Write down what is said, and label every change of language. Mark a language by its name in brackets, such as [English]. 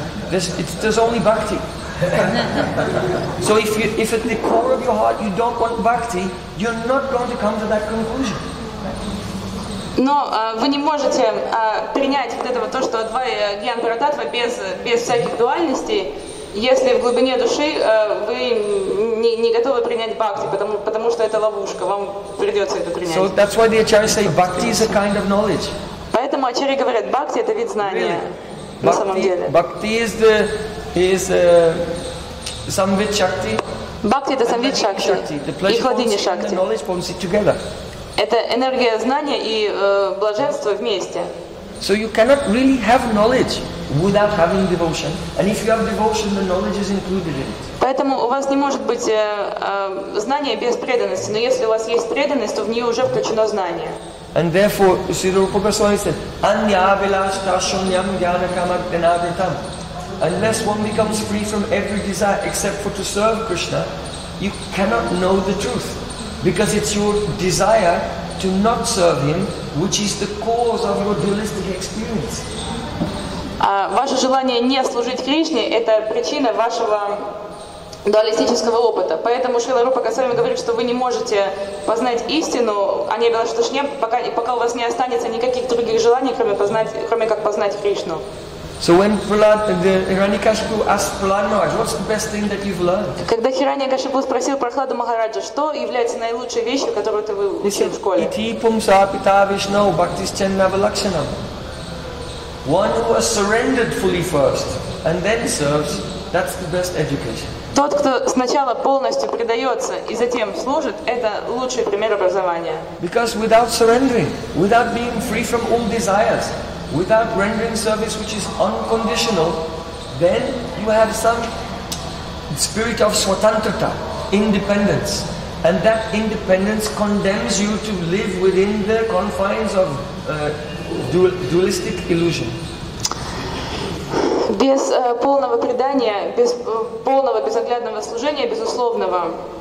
[English] There's only bhakti. So if at the core of your heart you don't want bhakti, you're not going to come to that conclusion. [Russian] Но вы не можете принять вот этого то, что адвайя гьян-пара-таттва без всяких дуальностей, если в глубине души вы не готовы принять бхакти, потому что это ловушка, вам придется это принять. [English] So that's why the acharyas say bhakti is a kind of knowledge. [Russian] Поэтому Ачарьи говорят, бхакти это вид знания. [English] Бхакти is the is самвит шакти. [Russian] Бхакти это самвит шакти. [English] The pleasure and the knowledge forms it together. [Russian] Это энергия знания и блаженство вместе. [English] So you cannot really have knowledge without having devotion, and if you have devotion, the knowledge is included in it. [Russian] Поэтому у вас не может быть знания без преданности, но если у вас есть преданность, то в нее уже включено знание. [English] And therefore, Sri Rupa Goswami said, [Sanskrit] "Anya vilashtashonyam jnana kamagdanavitam." [English] Unless one becomes free from every desire except for to serve Krishna, you cannot know the truth, because it's your desire to not serve Him which is the cause of your dualistic experience. [Russian] Ваше желание не служить Кришне – это причина вашего дуалистического опыта. Поэтому Шрила Рупа Госвами говорит, что вы не можете познать истину, а не Белаштушне, пока у вас не останется никаких других желаний, кроме как познать Кришну. [English] So when Hiranyakashipu asked Prahlad Maharaj, what's the best thing that you've learned? [Russian] Когда Хираньякашипу спросил Прохладу Махараджа, что является наилучшей вещью, которую ты выучил в школе? [Sanskrit] Iti pum sa pita Vishnu bhaktischanna valakshanam. [English] One who has surrendered fully first and then serves, that's the best education. [Russian] Тот, кто сначала полностью предается и затем служит, это лучший пример образования. [English] Because without surrendering, without being free from all desires, without rendering service which is unconditional, then you have some spirit of swatantrata, independence. And that independence condemns you to live within the confines of dualistic illusion. [Russian] Без полного предания, без полного безоглядного служения, безусловного.